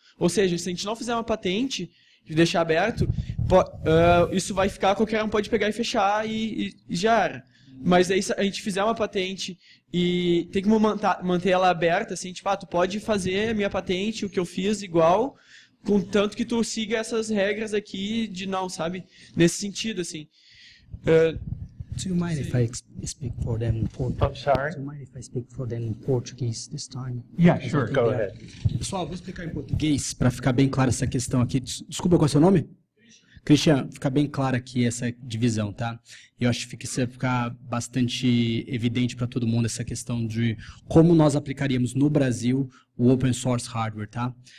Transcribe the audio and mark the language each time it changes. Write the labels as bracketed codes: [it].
[pt] Ou seja, se a gente não fizer uma patente e deixar aberto, isso vai ficar, qualquer um pode pegar e fechar e já era. Mas aí se a gente fizer uma patente e tem como manter ela aberta, assim, tipo, ah, tu pode fazer a minha patente, o que eu fiz, igual, contanto que tu siga essas regras aqui de não, sabe? Nesse sentido, assim. [en] Do you mind if I speak for them in Portuguese? I'm sorry? Do you mind if I speak for them in Portuguese this time? Yeah, sure, go ahead. [pt] Pessoal, vou explicar em português para ficar bem clara essa questão aqui. Desculpa, qual é o seu nome? Christian, fica bem clara aqui essa divisão, tá? Eu acho que isso vai ficar bastante evidente para todo mundo, essa questão de como nós aplicaríamos no Brasil o open source hardware, tá?